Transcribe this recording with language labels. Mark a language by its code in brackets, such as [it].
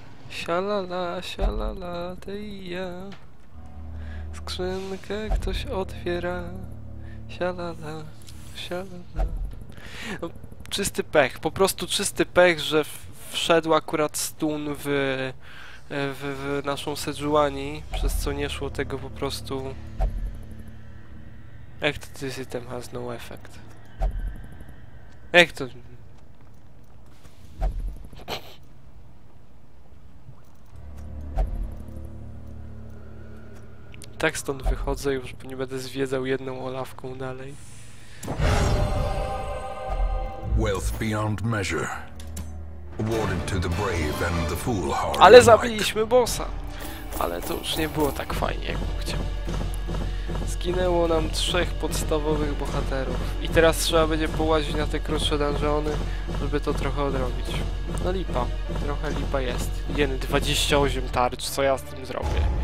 [pl] Sialala, sialala, ty i ja. Skrzynkę ktoś otwiera. Sialala, sialala. No, czysty pech, po prostu czysty pech, że wszedł akurat stun w naszą Sejuani, przez co nie szło tego po prostu. Jak to [en] this item has no effect? [pl] Jak to... Tak stąd wychodzę już, bo nie będę zwiedzał jedną olawką dalej. [en] Wealth beyond measure. Awarded to the brave and the foolhardy. [pl] Ale zabiliśmy bossa. Ale to już nie było tak fajnie, jak bym chciał. Zginęło nam trzech podstawowych bohaterów. I teraz trzeba będzie połazić na te krótsze dungeony, żeby to trochę odrobić. No lipa. Trochę lipa jest. Jen 28 tarcz, co ja z tym zrobię?